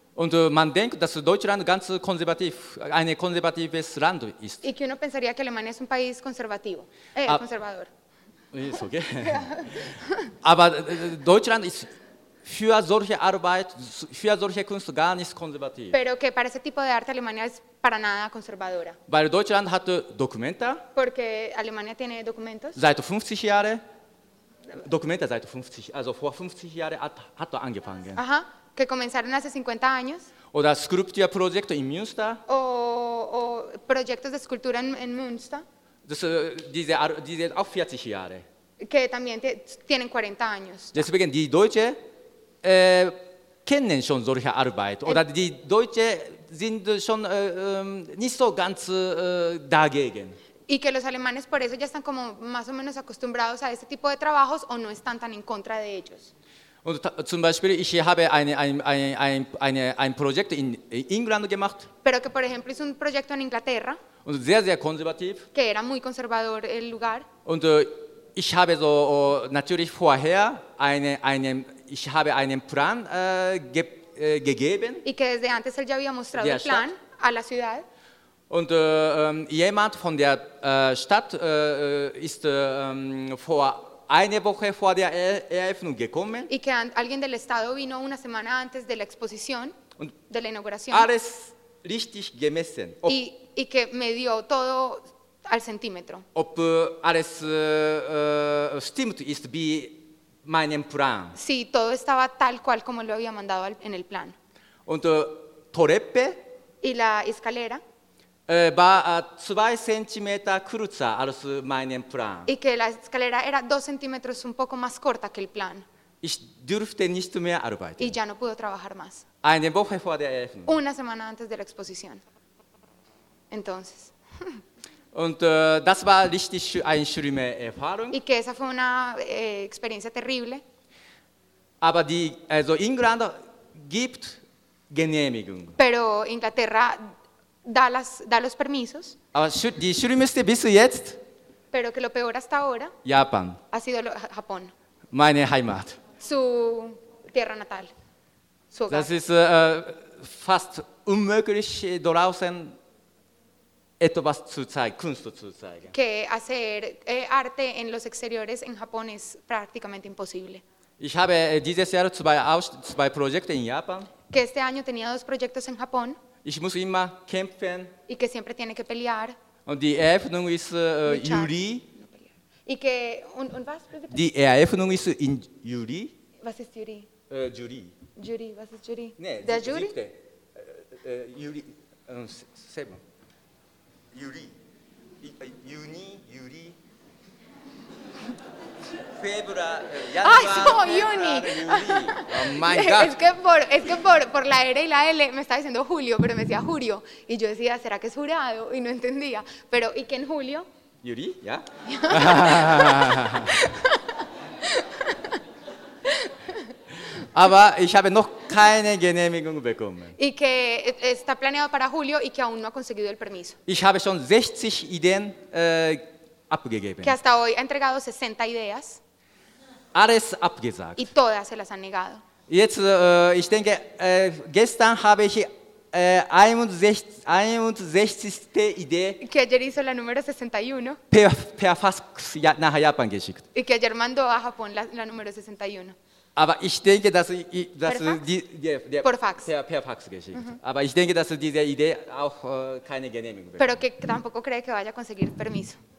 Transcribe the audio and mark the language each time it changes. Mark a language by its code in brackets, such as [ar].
[de] Und man denkt, dass Deutschland ganz konservativ, ein konservatives Land ist. [es] Y que uno pensaría que Alemania es un país conservativo, conservador. [de] Ist okay. Aber Deutschland ist für solche Arbeit, für solche Kunst gar nicht konservativ. [es] Pero que para ese tipo de arte Alemania es para nada conservadora. [de] Weil Deutschland hat Dokumente. [es] Porque Alemania tiene documentos. [de] Seit 50 Jahren. Dokumente seit 50, also vor 50 Jahren hat angefangen. Aha. [es] Que comenzaron hace 50 años. [de] Oder Skulptur Projekte in Münster. [es] O proyectos de escultura en Münster. [de] Das, diese auch 40 Jahre. [es] Que también tienen 40 años. [de] Deswegen die Deutsche kennen schon solche Arbeit. Oder die Deutsche sind schon nicht so ganz dagegen. [es] Y que los alemanes por eso ya están como más o menos acostumbrados a este tipo de trabajos o no están tan en contra de ellos. [de] Und zum Beispiel, ich habe ein Projekt in England gemacht. [es] Pero que por ejemplo es un proyecto en Inglaterra. [de] Und sehr, sehr konservativ. [es] Que era muy conservador el lugar. [de] Und ich habe so natürlich vorher einen Plan gegeben. [es] Y que desde antes él ya había mostrado el plan a la ciudad. [de] Und jemand von der Stadt ist vor eine Woche vor der Eröffnung gekommen. [es] Y que alguien del Estado vino una semana antes de la exposición, und de la inauguración. [de] Alles richtig gemessen. [es] Y que me dio todo al centímetro. [de] Ob alles stimmt ist wie meinem Plan. [es] Sí, todo estaba tal cual como lo había mandado en el plan. [de] Und Treppe. [es] Y la escalera. [de] War 2 cm kürzer als mein Plan. [es] Y que la escalera era 2 centímetros un poco más corta que el plan. [de] Ich durfte nicht mehr arbeiten. [es] Y ya no pudo trabajar más. [de] Eine Woche vor der Eröffnung. [es] Una semana antes de la exposición. Entonces. [de] Und das war richtig eine schlimme Erfahrung. [es] Y que esa fue una experiencia terrible. [de] Aber die, also England gibt Genehmigung. [es] Pero Inglaterra da los permisos. [de] Aber die schlimmste bis jetzt. [es] Pero que lo peor hasta ahora. [de] Japan. [es] Ha sido Japón. [de] Meine Heimat. [es] Su tierra natal. Su hogar. [de] Das ist fast unmöglich draußen etwas zu zeigen, Kunst zu zeigen. [es] Que hacer arte en los exteriores en Japón es prácticamente imposible. [de] Ich habe dieses Jahr zwei Projekte in Japan. [es] Que este año tenía 2 proyectos en Japón. [de] Ich muss immer kämpfen. [es] Y que siempre tiene que pelear. [de] Und die Eröffnung ist Juli. [es] Y que [de] und was? Bitte? Die Eröffnung ist in Juli. Was ist Juli? Juli. Juli, was ist Juli? Nee, der Juli? Juli. Seven. Juli. Juni, Juli. Februar, Januar, ah, so, Juni. [en] Juli. Oh my God. [es] Es que por la R y la L me estaba diciendo julio, pero me decía julio. Y yo decía, ¿será que es jurado? Y no entendía. Pero, ¿y que en julio? Juli, ¿ya? Yeah. [de] Aber ich habe noch keine Genehmigung bekommen. [es] Y que está planeado para julio y que aún no ha conseguido el permiso. [de] Ich habe schon 60 Ideen abgegeben. [es] Que hasta hoy ha entregado 60 ideas. [de] Alles abgesagt. [es] Y todas se las han negado. [de] Jetzt, ich denke, gestern habe ich 61. Idee. [es] Que ayer hizo la número 61. [de] Per Fax nach Japan geschickt. [es] Y que ayer mandó a Japón la número 61. [de] Aber ich denke, dass diese Idee auch keine Genehmigung bekommt. [es] Pero que tampoco cree que vaya a conseguir permiso.